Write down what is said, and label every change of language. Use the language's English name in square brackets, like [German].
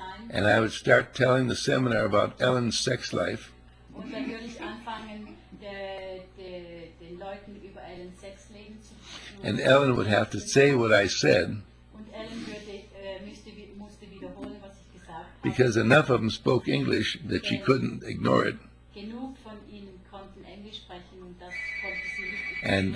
[English] And I would start telling the seminar about Ellen's sex life. [German] Und dann würde ich anfangen, den Leuten über Ellen's Sexleben zu sprechen. [English] And Ellen would have to say what I said. [German] Und Ellen musste wiederholen, was ich gesagt habe. [English] Because enough of them spoke English that she couldn't ignore it. [German] Genug von ihnen konnten Englisch sprechen, und das konnte sie nicht ignorieren.